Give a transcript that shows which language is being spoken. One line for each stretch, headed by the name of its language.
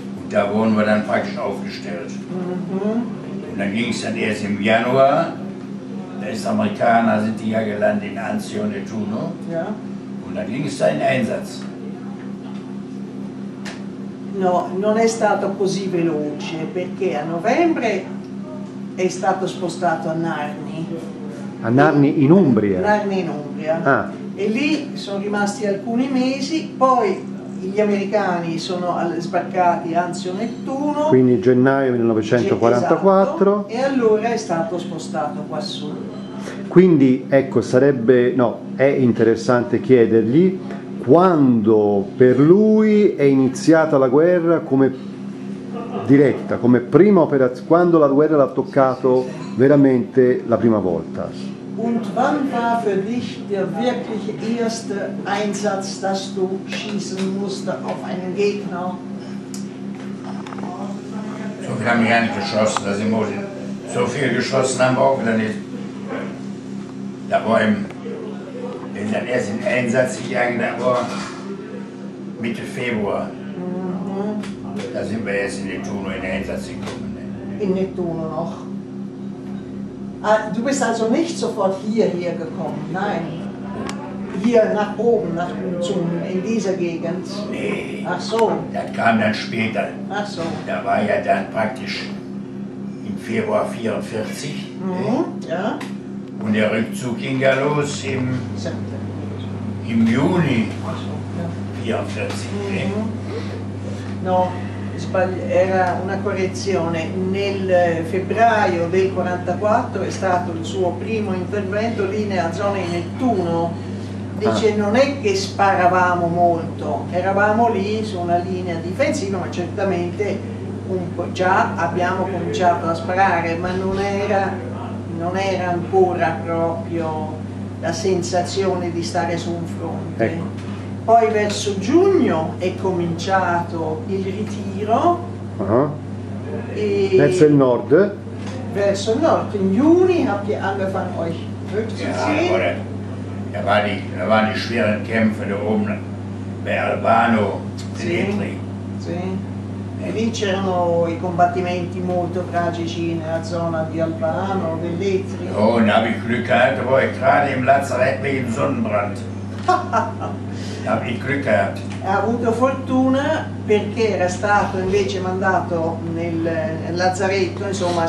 German: Da wurden wir dann praktisch aufgestellt. Mhm. Und dann ging es dann erst im Januar. Da ist Amerikaner, sind die ja gelandet in Anzio und Nettuno. Ja. Und dann ging es dann in Einsatz.
Italian: No, non è stato così veloce, perché a novembre è stato spostato a Narni. A Narni in Umbria? Narni in Umbria. Ah. E lì sono rimasti alcuni mesi, poi gli americani sono sbarcati Anzio Nettuno, quindi gennaio 1944, esatto, e allora è stato spostato quassù. Quindi ecco, sarebbe, no, è interessante chiedergli quando per lui è iniziata la guerra come diretta, come prima operazione, quando la guerra l'ha toccato veramente la prima volta.
German: Und wann war für dich der wirklich erste Einsatz, dass du schießen musste auf einen Gegner? So viel haben wir ja nicht geschossen, da sind wir so viel geschossen haben wir auch wieder nicht. Da war im, wenn dann erst im Einsatz gegangen, da war Mitte Februar. Mhm. Da sind wir erst in Nettuno in den Einsatz gekommen. Ne? In Nettuno noch? Ah, du bist also nicht sofort hierher gekommen, nein. Hier nach oben, nach zum, in dieser Gegend. Nee. Ach so. Das kam dann später. Ach so. Da war ja dann praktisch im Februar 44. Mhm, ne? Ja. Und der Rückzug ging ja los im Juni 44. Mhm. Ne?
Italian: No. Era una correzione, nel febbraio del 44 è stato il suo primo intervento lì nella zona di Nettuno. Dice, non è che sparavamo molto, eravamo lì su una linea difensiva, ma certamente già abbiamo cominciato a sparare, ma non era ancora proprio la sensazione di stare su un fronte. Ecco. Poi verso giugno è cominciato il ritiro. Uh-huh. Verso il nord? Verso il nord. In giugno
German: habt ihr angefangen euch zurückzuziehen. Ja, da waren die schweren Kämpfe da oben bei Albano,
Italian: sì. Sì. E lì c'erano i combattimenti molto tragici nella zona di Albano, Velletri. Oh, ne avevi cliccato poi tra le lazzarette in Sonnenbrand. Ne avevi cliccato. Ha avuto fortuna perché era stato invece mandato nel lazzaretto, insomma.